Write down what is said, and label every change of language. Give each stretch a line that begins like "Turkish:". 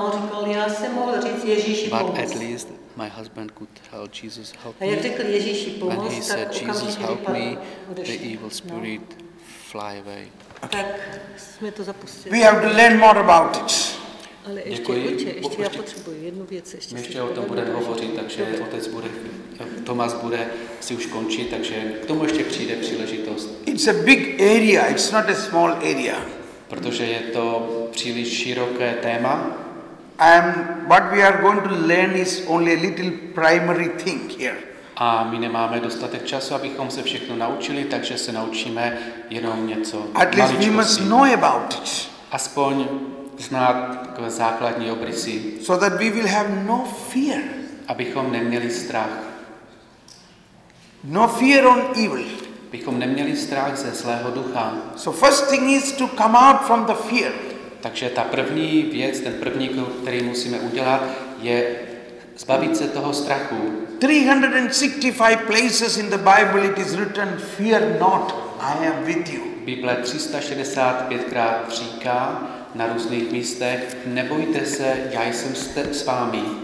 English: But at least my husband could tell Jesus help me, when he said Jesus help me, the evil spirit fly away.
Czech: Okay. Tak jsme to zapustili.
English: We have to learn more about it.
Czech: Ale ještě, děkuji. Ještě já potřebuji jednu věc. Ještě my ještě o tom budeme hovořit, takže okay. Otec bude, Tomáš bude si už končit, takže k tomu ještě přijde příležitost.
English: It's a big area, it's not a small area.
Czech: Protože je to příliš široké téma.
English: What we are going to learn is only a little primary thing here.
Czech: A my nemáme dostatek času, abychom se všechno naučili, takže se naučíme jenom něco maličkosti. Aspoň znát takové základní obrysy.
English: So that we will have no fear.
Czech: Abychom neměli strach.
English: No fear on evil.
Czech: Abychom neměli strach ze zlého ducha.
English: So first thing is to come out from the fear.
Czech: Takže ta první věc, ten první krok, který musíme udělat, je zbavit se toho strachu.
English: 365 places in the Bible it is written, fear not, I am with you.
Czech: Bible 365krát říká na různých místech, nebojte se, já jsem s vámi.